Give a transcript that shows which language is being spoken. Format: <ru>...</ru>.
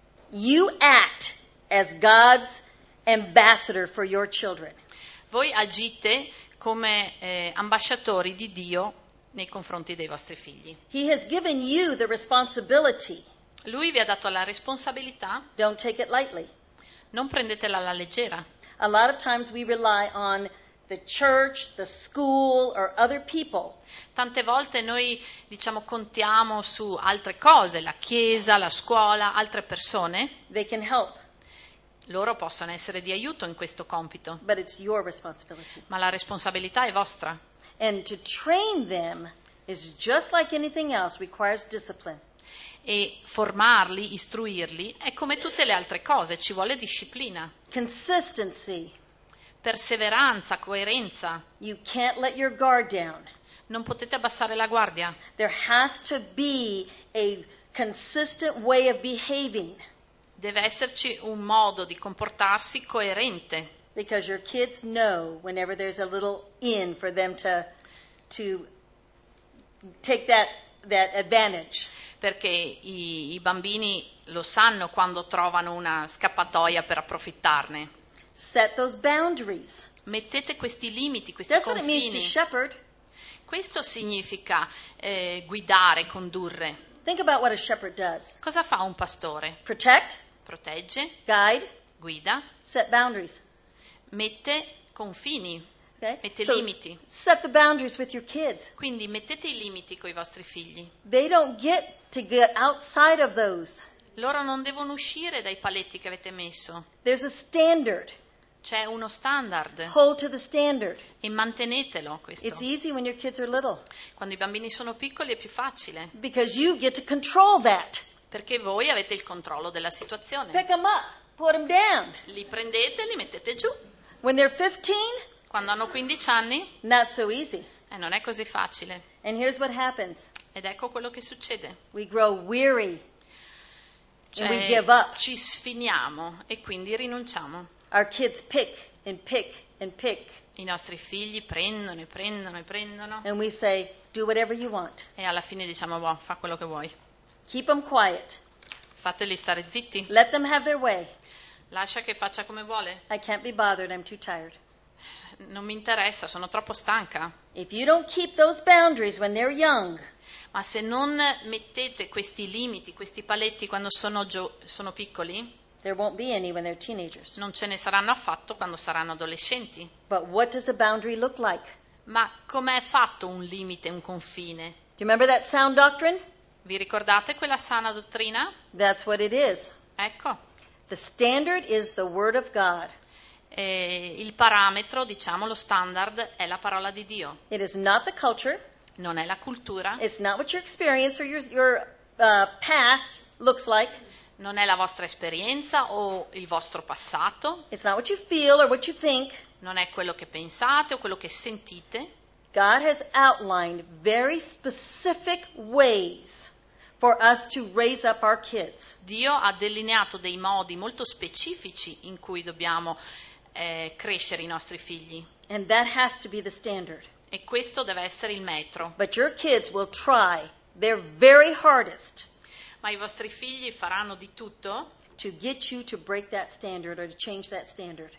<en>You act as God's ambassador for your children.</en> <it>Voi agite come ambasciatori di Dio nei confronti dei vostri figli.</it> <en>He has given you the responsibility.</en> <it>Lui vi ha dato la responsabilità.</it> <en>Don't take it lightly.</en> <it>Non prendetela alla leggera.</it> <en>A lot of times we rely on the church, the school or other people.</en> <it>Tante volte noi diciamo contiamo su altre cose, la chiesa, la scuola, altre persone.</it> <en>They can help.</en> <it>Loro possono essere di aiuto in questo compito.</it> <en>But it's your responsibility.</en> <it>Ma la responsabilità è vostra.</it> <en>And to train them is just like anything else, requires discipline.</en> <it>E formarli, istruirli, è come tutte le altre cose, ci vuole disciplina.</it> <en>Consistency.</en> <it>Perseveranza, coerenza.</it> <en>You can't let your guard down.</en> <it>Non potete abbassare la guardia.</it> <en>There has to be a consistent way of behaving.</en> <it>Deve esserci un modo di comportarsi coerente.</it> <en>Because your kids know whenever there's a little in for them to take that advantage.</en> <it>Perché i bambini lo sanno quando trovano una scappatoia per approfittarne.</it> <en>Set those boundaries.</en> <it>Mettete questi limiti, questi</it> <en>That's</en> <it>confini.</it> <en>That's what it means to shepherd.</en> <it>Questo significa guidare, condurre.</it> <en>Think about what a shepherd does.</en> <it>Cosa fa un pastore?</it> <en>Protect.</en> <it>Protegge,</it> <en>guide,</en> <it>guida,</it> <en>set boundaries,</en> <it>mette confini,</it> <en>okay?</en> <it>Mette</it> <en>so</en> <it>limiti.</it> <en>Set the boundaries with your kids.</en> <it>Quindi mettete i limiti coi vostri figli.</it> <en>They don't get to get outside of those.</en> <it>Loro non devono uscire dai paletti che avete messo.</it> <en>There's a standard.</en> <it>C'è uno standard.</it> <en>Hold to the standard.</en> <it>E mantenetelo questo.</it> <en>It's easy when your kids are little.</en> <it>Quando i bambini sono piccoli è più facile.</it> <en>Because you get to control that.</en> <it>Perché voi avete il controllo della situazione.</it> <en>Pick them up, put them down.</en> <it>Li prendete e li mettete giù.</it> <en>When they're 15,</en> <it>quando hanno 15 anni,</it> <en>not so easy.</en> <it>E non è così facile.</it> <en>And here's what happens.</en> <it>Ed ecco quello che succede.</it> <en>We grow weary. Cioè, we give up.</en> <it>Ci sfiniamo e quindi rinunciamo.</it> <en>Our kids pick and pick and pick.</en> <it>I nostri figli prendono e prendono e prendono.</it> <en>And we say, do whatever you want.</en> <it>E alla fine diciamo, boh, fa quello che vuoi.</it> <en>Keep them quiet.</en> <it>Fateli stare zitti.</it> <en>Let them have their way.</en> <it>Lascia che faccia come vuole.</it> <en>I can't be bothered, I'm too tired.</en> <it>Non mi interessa, sono troppo stanca.</it> <en>If you don't keep those boundaries when they're young.</en> <it>Ma se non mettete questi limiti, questi paletti quando sono piccoli,</it> <en>there won't be any when they're teenagers.</en> <it>Non ce ne saranno affatto quando saranno adolescenti.</it> <en>But what does the boundary look like?</en> <it>Ma com'è fatto un limite, un confine?</it> <en>Do you remember that sound doctrine?</en> <it>Vi ricordate quella sana dottrina?</it> <en>That's what it is.</en> <it>Ecco.</it> <en>The standard is the word of God.</en> <it>E il parametro, diciamo, lo standard è la parola di Dio.</it> <en>It is not the culture.</en> <it>Non è la cultura.</it> <en>It's not what your experience or your past looks like.</en> <it>Non è la vostra esperienza o il vostro passato.</it> <en>It's not what you feel or what you think.</en> <it>Non è quello che pensate o quello che sentite.</it> <en>God has outlined very specific ways for us to raise up our kids.</en> <it>Dio ha delineato dei modi molto specifici in cui dobbiamo crescere i nostri figli.</it> <en>And that has to be the standard.</en> <it>E questo deve essere il metro.</it> <en>But your kids will try their very hardest.</en> <it>Ma i vostri figli faranno di tutto</it> <en>to get you to break that standard or to change that standard.</en>